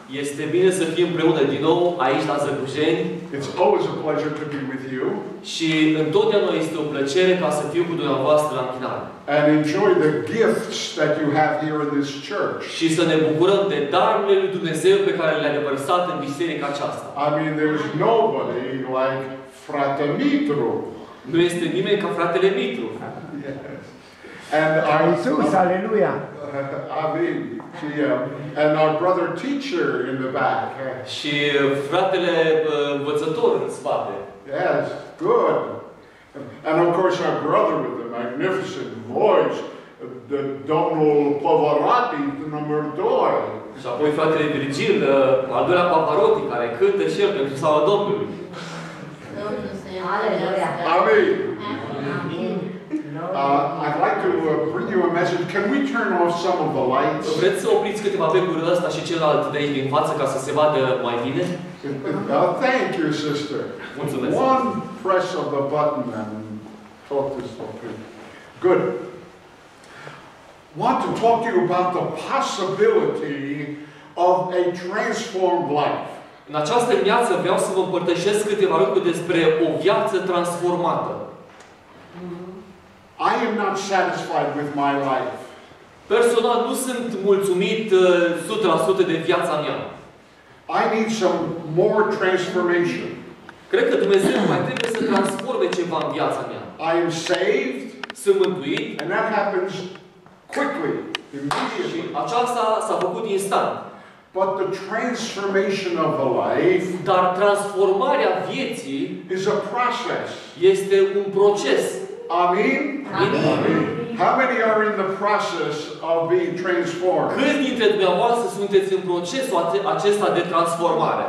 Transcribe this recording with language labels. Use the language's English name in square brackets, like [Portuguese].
[Romanian] Este bine să fim împreună din nou aici la Zagijeni. [English] It's always a pleasure to be with you. [Romanian] Și întotdeauna este o plăcere ca să fiu cu dumneavoastră la închinare. [English] And enjoy the gifts that you have here in this church. [Romanian] Și să ne bucurăm de darurile lui Dumnezeu pe care le-a revărsat în biserica aceasta. [English] I mean, there's nobody like Frate Mitru. [Romanian] Nu este nimeni ca fratele Mitru. [English] And Iisus, aleluia. [Romanian] Amin. Și [English] and our brother teacher in the back. [Romanian] Și fratele învățător în spate. [English] Yes, good. And of course our brother with the magnificent voice, the Domnul Pavarotti number 2. [Romanian] Și apoi fratele Virgil, al doilea Pavarotti, care cântă și el pentru slava Domnului. Domnul să-i aleluia. Amin. [English] I'd like to bring you a message. Can we turn off some of the lights? [Romanian] Vreți să opriți câteva pe gură ăsta și celălalt de aici din față ca să se vadă mai bine? [English] Thank you, sister. [Romanian] Mulțumesc. [English] One press of the button and talk this open. Good. Want to talk to you about the possibility of a transformed life. [Romanian] În această dimineață vreau să vă împărtășesc câteva lucruri despre o viață transformată. [English] I am not satisfied with my life. [Romanian] Personal, nu sunt mulțumit 100% de viața mea. [English] I need some more transformation. [Romanian] Cred că Dumnezeu mai trebuie să transforme ceva în viața mea. [English] I am saved. [Romanian] Sunt mântuit. [English] And that happens quickly, immediately. [Romanian] Aceasta s-a făcut instant. [English] But the transformation of the life, [Romanian] dar transformarea vieții, [English] is a process. [Romanian] Este un proces. Amin? Amin. [English] How many are in the process of being transformed? [Romanian] Câți dintre dumneavoastră sunteți în procesul acesta de transformare?